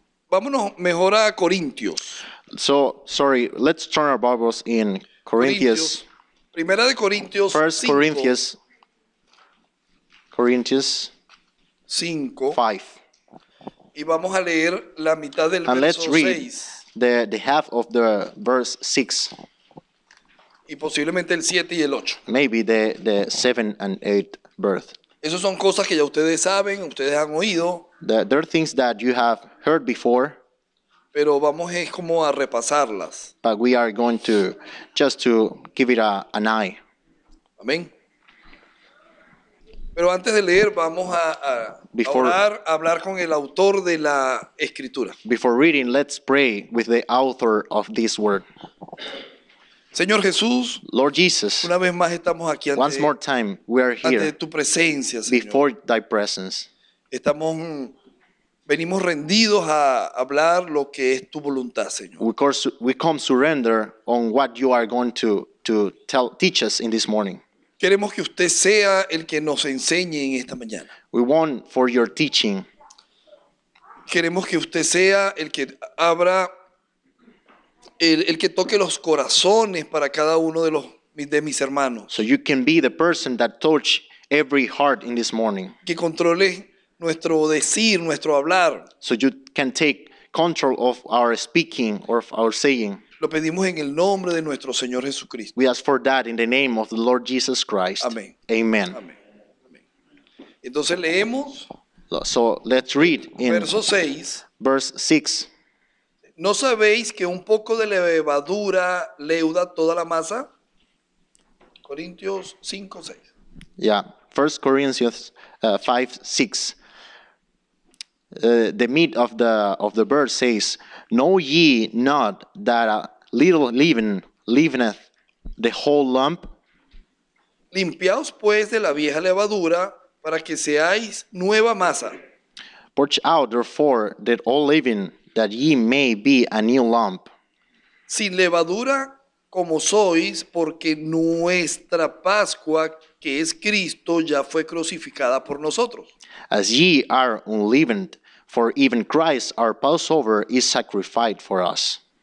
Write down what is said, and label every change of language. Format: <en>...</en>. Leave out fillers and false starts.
<es>Vámonos mejor a Corintios.</es> <en>So, sorry, let's turn our Bibles in Corinthians.</en> <es>Primera de Corintios</es> <en>5. First Corinthians. Corinthians 5. 5.</en> <es>Y vamos a leer la mitad del</es> <en>and</en> <es>verso 6.</es> <en>And let's read the half of the verse 6.</en> <es>Y posiblemente el 7 y el 8.</es> <en>Maybe the 7 and 8 verse.</en> <es>Esas son cosas que ya ustedes saben, ustedes han oído.</es> <en>There are things that you have heard before.</en> <es>Pero vamos es como a repasarlas.</es> <en>But we are going to just to give it an eye.</en> <es>Amén. Pero antes de leer vamos a hablar con el autor de la escritura.</es> <en>Before reading, let's pray with the author of this word.</en> <es>Señor Jesús,</es> <en>Lord Jesus,</en> <es>una vez más estamos aquí ante,</es> <en>once more time, we are here,</en> <es>ante tu presencia, Señor.</es> <en>Before thy presence.</en> <es>Estamos, venimos rendidos a hablar lo que es tu voluntad, Señor.</es> <en>We come surrender on what you are going to tell, teach us in this morning.</en> <es>Queremos que usted sea el que nos enseñe en esta mañana.</es> <en>We want for your teaching.</en> <es>Queremos que usted sea el que abra, el que toque los corazones para cada uno de mis hermanos.</es> <en>So you can be the person that touch every heart in this morning.</en> <es>Que controle nuestro decir, nuestro hablar.</es> <en>So you can take control of our speaking or of our saying.</en> <es>Lo pedimos en el nombre de nuestro Señor Jesucristo.</es> <en>We ask for that in the name of the Lord Jesus Christ.</en> <es>Amén.</es> <en>Amen.</en> <es>Amén. Entonces leemos.</es> <en>So let's read in</en> <es>verso 6.</es> <en>Verse 6.</en> <es>¿No sabéis que un poco de levadura leuda toda la masa? Corintios 5, 6.</es> <en>Yeah, 1 Corinthians 5, 6. The meat of the bird says, know ye not that a little leaven leaveneth the whole lump?</en> <es>Limpiaos pues de la vieja levadura para que seáis nueva masa.</es> <en>Purge out therefore that old leaven, that ye may be a new lump.</en> <es>Sin levadura como sois, porque nuestra Pascua, que es Cristo, ya fue crucificada por nosotros.</es> <en>As ye are unleavened, for even Christ, our Passover, is sacrificed for us.</en>